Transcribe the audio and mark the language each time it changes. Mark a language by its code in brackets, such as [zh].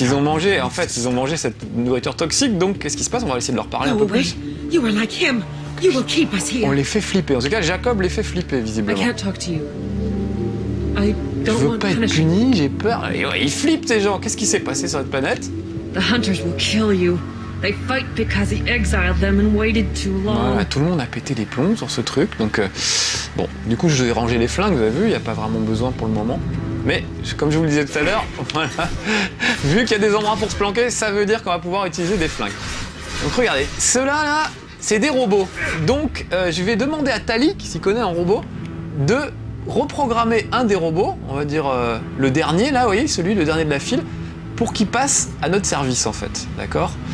[fr] Ils ont mangé, en fait, ils ont mangé cette nourriture toxique, donc qu'est-ce qui se passe? On va essayer de leur parler un peu plus. [en] You are like him. You will keep us here. [fr] On les fait flipper. En tout cas, Jacob les fait flipper, visiblement. [en] I can't talk to you. I don't want to punish. [fr] Je veux pas être puni, j'ai peur. Ils flippent, ces gens. Qu'est-ce qui s'est passé sur cette planète? [en] The hunters will kill you. They fight because he exiled them and waited too long. [fr] Voilà, tout le monde a pété les plombs sur ce truc, donc bon, du coup je vais ranger les flingues, vous avez vu, il n'y a pas vraiment besoin pour le moment. Mais, comme je vous le disais tout à l'heure, voilà, vu qu'il y a des endroits pour se planquer, ça veut dire qu'on va pouvoir utiliser des flingues. Donc regardez, ceux-là, là, c'est des robots. Donc, je vais demander à Tali, qui s'y connaît en robots, de reprogrammer un des robots, on va dire le dernier, là, vous voyez, celui, le dernier de la file, pour qu'il passe à notre service, en fait, d'accord?